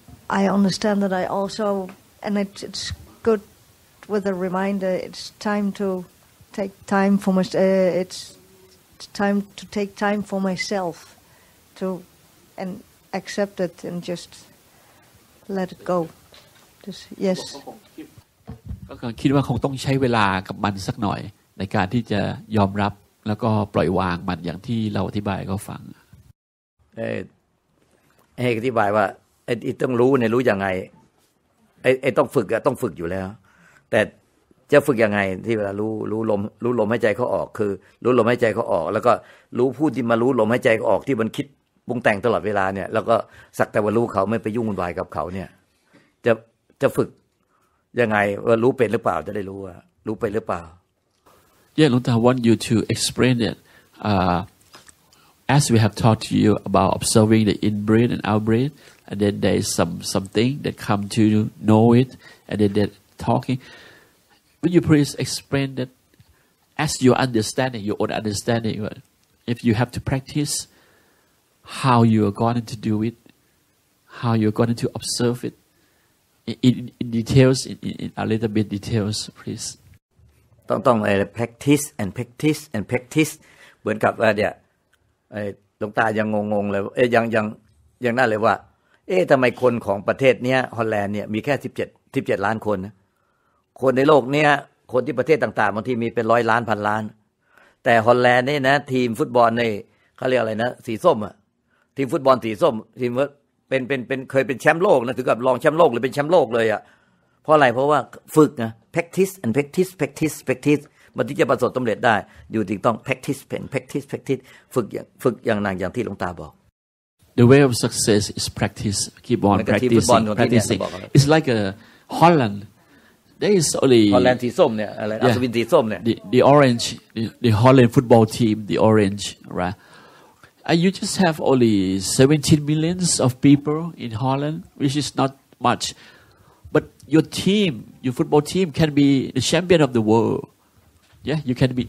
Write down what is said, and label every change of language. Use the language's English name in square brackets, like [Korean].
[English] I understand that I also, and it's good with a reminder, it's time to take time for myself, and accept it and just let it go. Just, yes. [Thai] ก็คือคิดว่าคงต้องใช้เวลากับมันสักหน่อยในการที่จะยอมรับแล้วก็ปล่อยวางมันอย่างที่เราอธิบายก็ฟัง อธิบายว่าต้องรู้เนี่ยรู้ยังไงต้องฝึกต้องฝึกอยู่แล้วแต่จะฝึกยังไงที่เวลารู้ลมหายใจเขาออกคือรู้ลมหายใจเขาออกแล้วก็รู้พูดที่มารู้ลมหายใจเขาออกที่มันคิดปรุงแต่งตลอดเวลาเนี่ยแล้วก็สักแต่ว่ารู้เขาไม่ไปยุ่งวุ่นวายกับเขาเนี่ยจะฝึก ยังไงว่ารู้เป็นหรือเปล่าจะได้รู้ว่ารู้เป็นหรือเปล่า [English] Yeah, Lung Tao, I want you to explain it. As we have talked to you about observing the in-breath and out-breath, and then there is something that come to know it, and then they're talking. Would you please explain that as your understanding, your own understanding, if you have to practice how you are going to do it, how you're going to observe it, in details, in a little bit details, please. [Thai] ต้องไอ้ [English] practice and practice and practice [Thai] เหมือนกับว่าเนี่ยไอ้ลงตายังงงๆเลยเอ๊ะยังน่าเลยว่าเอ๊ะทำไมคนของประเทศเนี้ยฮอลแลนด์เนี่ยมีแค่17ล้านคนนะ คนในโลกเนี้ยคนที่ประเทศต่างๆบางทีมีเป็นร้อยล้านพันล้านแต่ฮอลแลนด์นี่นะทีมฟุตบอลนี่เขาเรียกอะไรนะสีส้มอะทีมฟุตบอลสีส้มทีมเป็นเคยเป็นแชมป์โลกนะถึงกับรองแชมป์โลกหรือเป็นแชมป์โลกเลยอะเพราะอะไรเพราะว่าฝึกนะ [English] practice and practice practice practice [Thai] มันที่จะประสบสำเร็จได้อยู่ที่ต้อง [English] practice and practice practice [Thai] ฝึกอย่างนั้นอย่างที่หลวงตาบอก [English] The way of success is practice keep on practicing practicing it's like a Holland there is only [Thai] Holland สีส้มเนี่ยอะไรอัศวินสีส้มเนี่ย [English] the orange the Holland football team the orange right and you just have only 17 millions of people in Holland which is not muchBut your team, your football team, can be the champion of the world. Yeah, you can be.